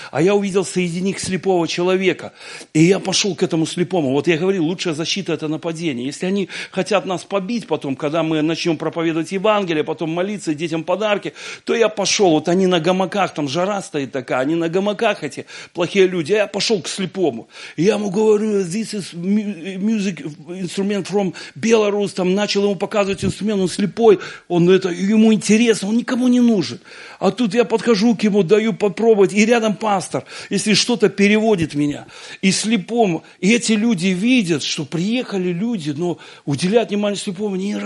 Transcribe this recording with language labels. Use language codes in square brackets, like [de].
[ru] А я увидел среди них слепого человека. И я пошел к этому слепому. Вот я говорил, лучшая защита – это нападение. Если они хотят нас побить потом, когда мы начнем проповедовать Евангелие, потом молиться, детям подарки, то я пошел, вот они на гамаках, там жара стоит такая, они на гамаках эти плохие люди. А я пошел к слепому. И я ему говорю, [en] this is music instrument from Belarus. [ru] Там начал ему показывать инструмент, он слепой. Он это, ему интересно. Он никому не нужен. А тут я подхожу к ему, даю попробовать. И рядом пастор, если что-то переводит меня. И слепому. И эти люди видят, что приехали люди, но уделяют внимание слепому.